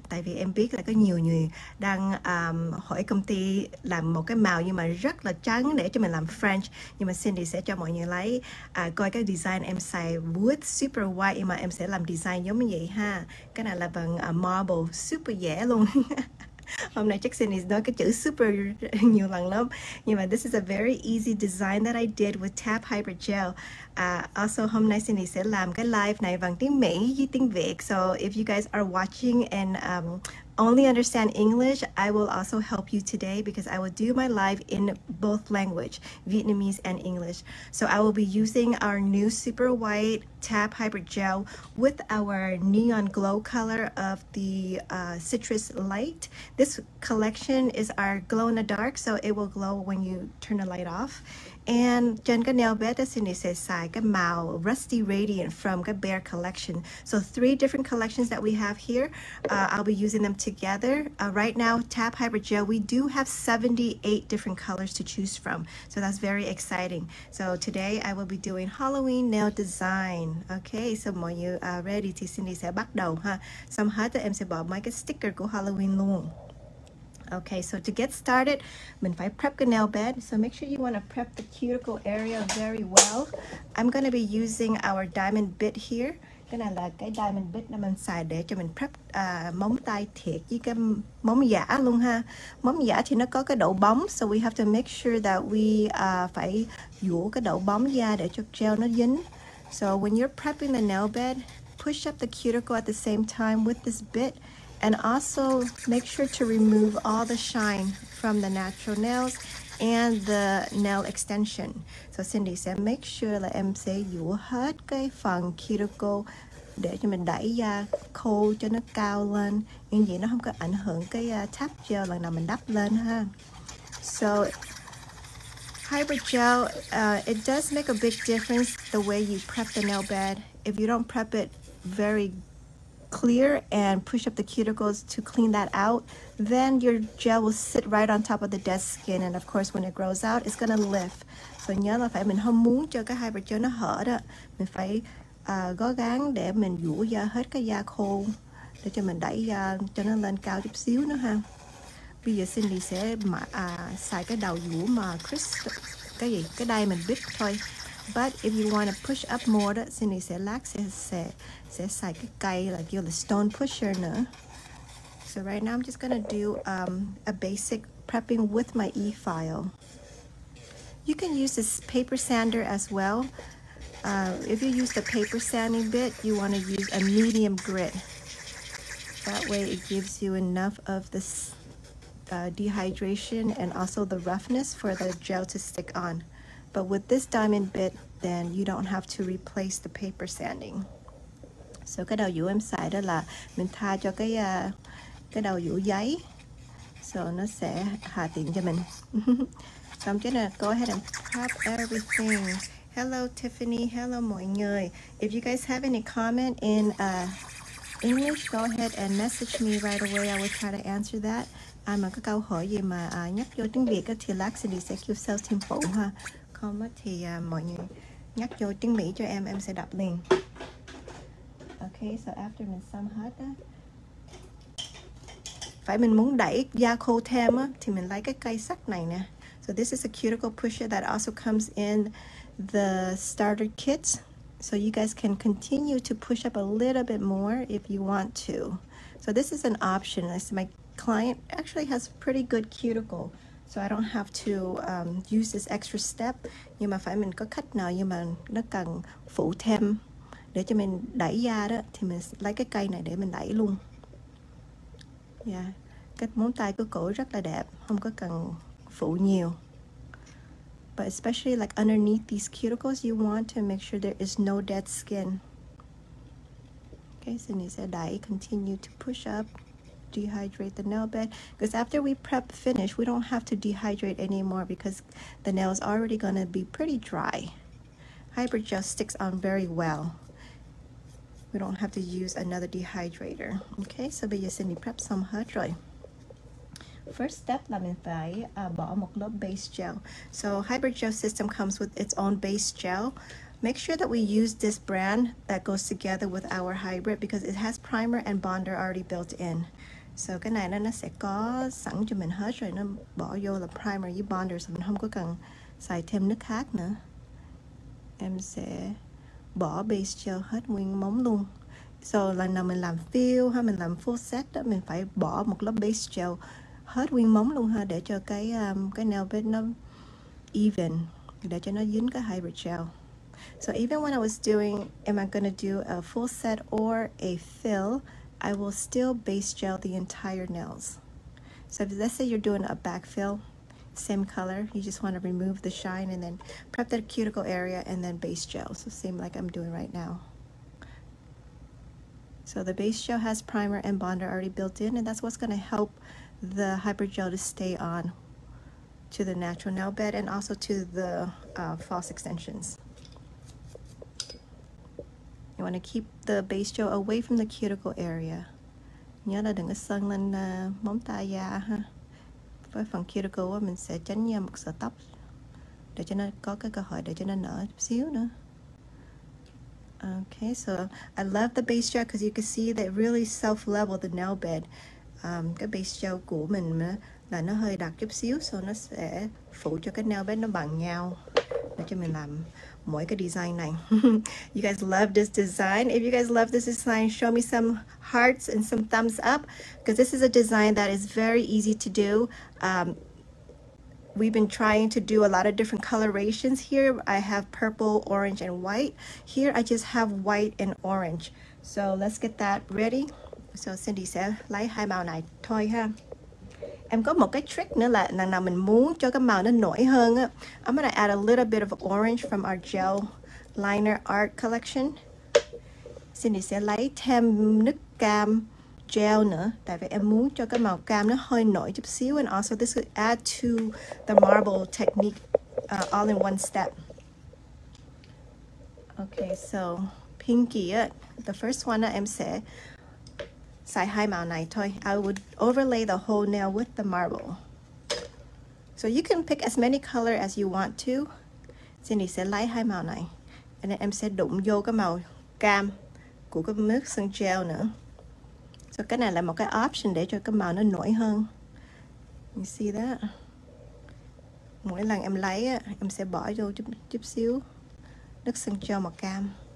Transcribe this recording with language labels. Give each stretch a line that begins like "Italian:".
Vietnamese: Tại vì em biết là có nhiều người đang hỏi công ty làm một cái màu nhưng mà rất là trắng để cho mình làm French. Nhưng mà Cindy sẽ cho mọi người lấy coi cái design em xài wood super white. Nhưng mà em sẽ làm design giống như vậy ha. Cái này là bằng marble super dễ luôn. Hôm nay chắc Cindy nói cái chữ super nhiều lần lắm. Nhưng mà
English: this is a very easy design that I did with T.A.P Hybrid Gel.
Vietnamese: Also, hôm nay Cindy sẽ làm cái live này bằng tiếng Mỹ với tiếng Việt.
English: So if you guys are watching and only understand English, I will also help you today because I will do my live in both language, Vietnamese and English. So I will be using our new super white T.A.P Hybrid Gel with our neon glow color of the citrus light. This collection is our glow in the dark, so it will glow when you turn the light off.
Vietnamese: And trên cái nail bed đó Cindy sẽ xài cái màu Rusty Radiant from cái Bare Collection.
English: So three different collections that we have here, I'll be using them together. Right now, T.A.P Hybrid Gel, we do have 78 different colors to choose from. So that's very exciting. So today I will be doing Halloween nail design.
Vietnamese: Okay, so mọi người ready thì Cindy sẽ bắt đầu ha. Xong hết thì em sẽ bỏ mấy cái sticker của Halloween luôn.
English: Okay, so to get started,
Vietnamese: mình phải
English: prep the nail bed. So make sure you want to prep the cuticle area very well. I'm going to be using our diamond bit here.
Vietnamese: Cái này là cái diamond bit nó mình xài để cho mình prep móng tay thiệt với cái móng giả luôn ha. Móng giả thì nó có cái độ bóng,
English: so we have to make sure that we
Vietnamese: phải dũa cái độ bóng da để cho gel nó dính.
English: So when you're prepping the nail bed, push up the cuticle at the same time with this bit. And also make sure to remove all the shine from the natural nails and the nail extension.
Vietnamese: So Cindy sẽ
English: make sure
Vietnamese: là em sẽ dũa hết cái phần cuticle để cho mình đẩy da khô cho nó cao lên. Như vậy nó không có ảnh hưởng cái T.A.P gel lần nào mình đắp lên ha.
English: So hybrid gel, it does make a big difference the way you prep the nail bed. If you don't prep it very clear and push up the cuticles to clean that out, then your gel will sit right on top of the dead skin, and of course when it grows out it's gonna lift.
Vietnamese: So nhớ là phải mình không muốn cho cái hybrid gel nó hở đó, mình phải cố gắng để mình dũa da hết cái da khô để cho mình đẩy da cho nó lên cao chút xíu nữa ha. Bây giờ Cindy sẽ xài cái đầu dũa mà crystal cái gì cái đây mình biết thôi.
English: But if you want to push up more,
Vietnamese: Cindy sẽ lắc, sẽ xài cái cây là kêu là stone pusher nữa.
English: So right now I'm just gonna do a basic prepping with my e-file. You can use this paper sander as well. If you use the paper sanding bit, you want to use a medium grit. That way it gives you enough of this dehydration and also the roughness for the gel to stick on. But with this diamond bit, then you don't have to replace the paper sanding.
Vietnamese: So cái đầu dũa em xài đó là mình tha cho cái đầu dũa giấy. So nó sẽ hạ tiện cho mình.
English: So I'm gonna go ahead and prep everything. Hello Tiffany, hello
Vietnamese: mọi người.
English: If you guys have any comment in English, go ahead and message me right away. I will try to answer that.
Vietnamese: Ai mà có câu hỏi gì mà nhắc vô tiếng Việt thì lát Cindy sẽ kêu sales team phụ ha. Không thì mọi người nhắc vô tiếng Mỹ cho em sẽ đọc liền. Okay, so after mình xong hết á, phải mình muốn đẩy da khô thêm á thì mình lấy cái cây sắt này nè.
English: So this is a cuticle pusher that also comes in the starter kit. So you guys can continue to push up a little bit more if you want to. So this is an option. So my client actually has pretty good cuticle, so I don't have to use this extra step.
Vietnamese: Nhưng mà phải mình có cách nào nhưng mà nó cần phụ thêm để cho mình đẩy da đó thì mình lấy cái cây này để mình đẩy luôn. Yeah, cái móng tay của cổ rất là đẹp, không có cần phụ nhiều.
English: But especially like underneath these cuticles, you want to make sure there is no dead skin. Okay, so
Vietnamese: mình sẽ đẩy,
English: continue to push up. Dehydrate the nail bed, because after we prep finish we don't have to dehydrate anymore because the nail is already gonna be pretty dry. Hybrid gel sticks on very well. We don't have to use another dehydrator.
Vietnamese: Okay, so bây giờ Cindy prep some hot rồi.
English: First step
Vietnamese: là mình phải bỏ một lớp base gel.
English: So hybrid gel system comes with its own base gel. Make sure that we use this brand that goes together with our hybrid because it has primer and bonder already built in.
Vietnamese: So cái này nó sẽ có sẵn cho mình hết rồi, nó bỏ vô là primer với bonder, so mình không có cần xài thêm nước khác nữa. Em sẽ bỏ base gel hết nguyên móng luôn. So lần nào mình làm fill hay mình làm full set đó, mình phải bỏ một lớp base gel hết nguyên móng luôn ha, để cho cái nail bed nó even, để cho nó dính cái hybrid gel.
English: So even when I was doing, am I gonna do a full set or a fill, I will still base gel the entire nails. So if, let's say you're doing a backfill, same color, you just want to remove the shine and then prep that cuticle area and then base gel. So same like I'm doing right now. So the base gel has primer and bonder already built in, and that's what's going to help the hypergel to stay on to the natural nail bed and also to the false extensions. You want to keep the base gel away from the cuticle area.
Vietnamese: Nhớ là đừng có sưng lên móng tay da ha. Với phần cuticle á, mình sẽ tránh nhầm một sợi tóc để cho nó có cái cơ hội để cho nó nở xíu nữa.
English: Okay, so I love the base gel because you can see that really self-level the nail bed.
Vietnamese: Cái base gel của mình là nó hơi đặc chút xíu, so nó sẽ phủ cho cái nail bed nó bằng nhau để cho mình làm mỗi cái design này.
English: You guys love this design. If you guys love this design, show me some hearts and some thumbs up, because this is a design that is very easy to do. We've been trying to do a lot of different colorations here. I have purple, orange, and white. Here, I just have white and orange. So let's get that ready.
Vietnamese: So Cindy sẽ lấy hai màu này thôi ha. Em có một cái trick nữa là lần nào mình muốn cho cái màu nó nổi hơn á,
English: I'm gonna add a little bit of orange from our gel liner art collection.
Vietnamese: Cindy sẽ lấy thêm nước cam gel nữa, tại vì em muốn cho cái màu cam nó hơi nổi chút xíu,
English: and also this will add to the marble technique all in one step.
Vietnamese: Okay, so pinky á,
English: the first one
Vietnamese: em sẽ xài hai màu này thôi.
English: I would overlay the whole nail with the marble. So you can pick as many color as you want to.
Vietnamese: Cindy sẽ lấy hai màu này. And then em sẽ đụng vô cái màu cam của cái nước sơn gel nữa. So cái này là một cái option để cho cái màu nó nổi hơn.
English: You see that?
Vietnamese: Mỗi lần em lấy á, em sẽ bỏ vô chút xíu nước sơn gel màu cam.